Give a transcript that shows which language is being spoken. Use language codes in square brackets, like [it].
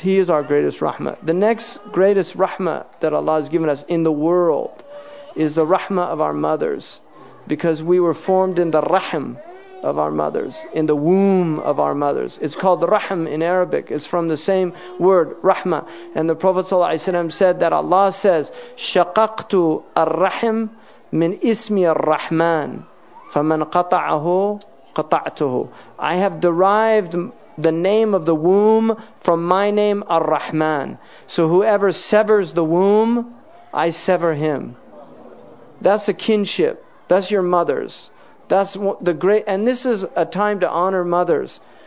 [en] He is our greatest rahmah. The next greatest rahmah that Allah has given us in the world is the rahmah of our mothers, because we were formed in the rahim of our mothers, in the womb of our mothers. It's called rahm in Arabic. It's from the same word, rahma. And the Prophet ﷺ said that Allah says, [ar] شَقَقْتُ الرَّحِمْ مِنْ إِسْمِ الرَّحْمَانِ فَمَنْ قَطَعَهُ قَطَعْتُهُ. [en] I have derived the name of the womb from my name, Ar-Rahman. So whoever severs the womb, I sever him. That's a kinship. That's your mother's. That's the great, and this is a time to honor mothers.